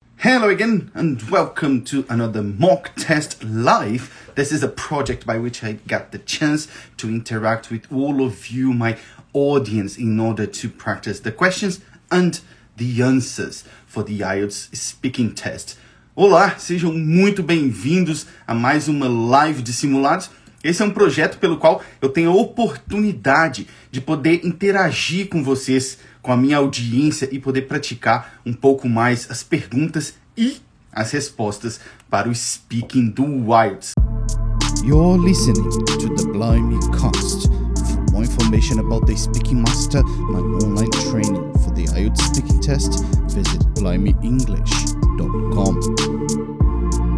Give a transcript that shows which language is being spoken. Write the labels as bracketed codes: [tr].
[en] Hello again, and welcome to another mock test live. This is a project by which I got the chance to interact with all of you, my audience, in order to practice the questions and the answers for the IELTS speaking test. [pt] Olá, sejam muito bem-vindos a mais uma live de simulados. Esse é um projeto pelo qual eu tenho a oportunidade de poder interagir com vocês, com a minha audiência, e poder praticar um pouco mais as perguntas e as respostas para o Speaking do IELTS. [en] You're listening to the Blimey Cast. For more information about the Speaking Master, my online training for the IELTS speaking test, visit blimeyenglish.com.